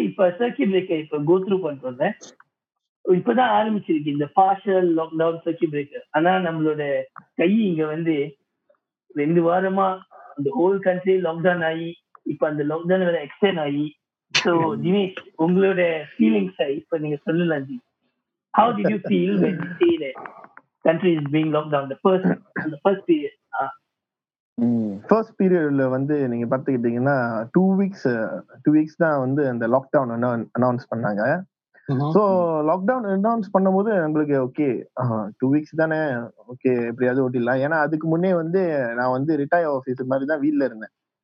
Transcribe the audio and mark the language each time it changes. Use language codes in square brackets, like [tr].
[ta] இருந்திருக்கோம், இப்பதான் ஆரம்பிச்சிருக்கு இந்த பார்ஷியல் லாக்டவுன் சர்க்கி பிரேக்கர். ஆனா நம்மளோட கை இங்க வந்து ரெண்டு வாரமா இந்த ஹோல் கண்ட்ரி லாக்டவுன் ஆகி இப்ப அந்த லாக்டவுன் வேற எக்ஸ்டெண்ட் ஆகி. So, Dinesh, உங்களோட feelings இப்ப நீங்க சொல்லலாம். [en] How did you feel when you see the country is being locked down the first period? [ta] First period வந்து நீங்க பாத்துக்கிட்டீங்கன்னா 2 weeks தான் வந்து அந்த லாக்டவுன் அனௌன்ஸ் பண்ணாங்க. ஸோ லாக்டவுன் அனௌன்ஸ் பண்ணும்போது எங்களுக்கு ஓகே 2 weeks தானே, ஓகே எப்படியாவது ஓட்டிடலாம். ஏன்னா அதுக்கு முன்னே வந்து நான் வந்து ரிட்டையர் ஆஃபீஸர் மாதிரி தான் வீட்டில் இருந்தேன்.